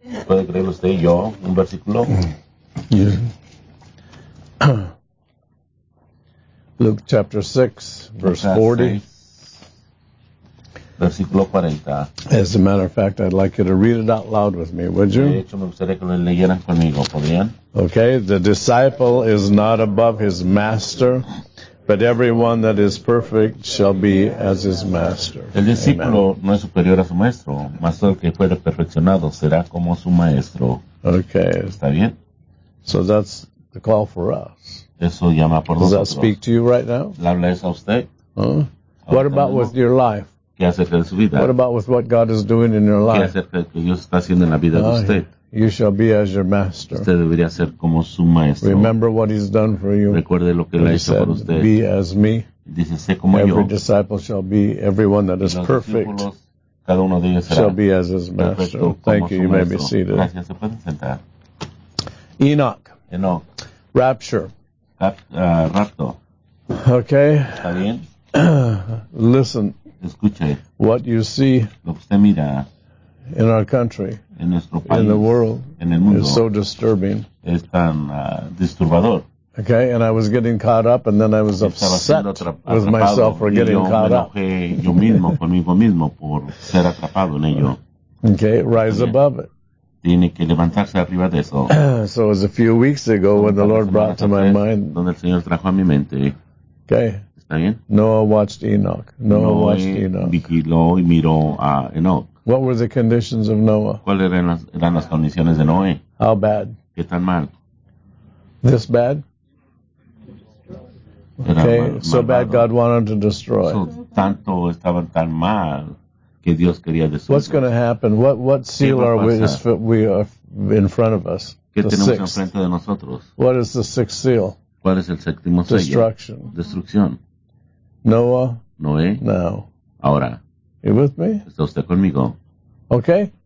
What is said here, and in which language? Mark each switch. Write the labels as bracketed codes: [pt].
[en] Luke chapter 6, verse 40. [es] Versículo 40. [en] As a matter of fact, I'd like you to read it out loud with me, would you? [es] De hecho, me gustaría que lo leyeran conmigo, ¿podrían? [en] Okay, the disciple is not above his master, but everyone that is perfect shall be as his master. [es] El discípulo amen. No es superior a su maestro, mas todo el que fuere perfeccionado será como su maestro. [en] Okay. [es] ¿Está bien? [en] So that's the call for us. [es] Eso llama por [en] does [es] nosotros. [en] That speak to you right now? [es] ¿Le habla eso a usted? [en] Huh? What about mismo? With your life? [es] ¿Qué acerca de su vida? [en] What about with what God is doing in your life? [es] ¿Qué acerca de lo que Dios está haciendo en la vida de usted? [en] You shall be as your master. [es] Usted debería ser como su maestro. [en] Remember what he's done for you. [es] Recuerde lo que él ha hecho por usted. [en] Be as me. [es] Dice, sé como [en] every [es] yo. [en] Every disciple shall be, everyone that is perfect, [es] cada uno de ellos será [en] shall be as his master. Thank you. You may be seated. [es] Gracias. Se pueden sentar. [en] Enoch. [es] Enoch. [en] Rapture. [es] Rapto. [en] Okay. [es] ¿Está bien? [en] Listen. [es] Escuche. [en] What you see. [es] Lo que usted mira. [en] In our country, [es] en nuestro país, [en] in the world, [es] en el mundo, [en] is so disturbing. [es] Es tan, disturbador. [en] Okay, and I was getting caught up, and then I was upset with myself for getting caught up. [es] Yo mismo conmigo mismo por ser atrapado en ello. [en] Okay, rise above it. [es] Tiene que levantarse arriba de eso. [en] So it was a few weeks ago when the Lord brought to my mind. [es] Donde el Señor trajo a mi mente. [en] Okay. [es] ¿Está bien? [en] Noah watched Enoch. Noah watched Enoch. [es] Vigiló y miró a Enoch. [en] What were the conditions of Noah? [es] ¿Cuáles eran las condiciones de Noé? [en] How bad? [es] ¿Qué tan mal? [en] This bad? Okay, so bad God wanted to destroy. [es] Tanto estaban tan mal que Dios quería destruir. [en] What's going to happen? What seal are we are in front of us? [es] ¿Qué tenemos enfrente de nosotros? [en] What is the sixth seal? [es] ¿Cuál es el séptimo sello? [en] Destruction. [es] Destrucción. [en] Noah? [es] Noé? [en] Now. [es] Ahora. [en] You with me? [es] ¿Está usted conmigo? [en] Okay.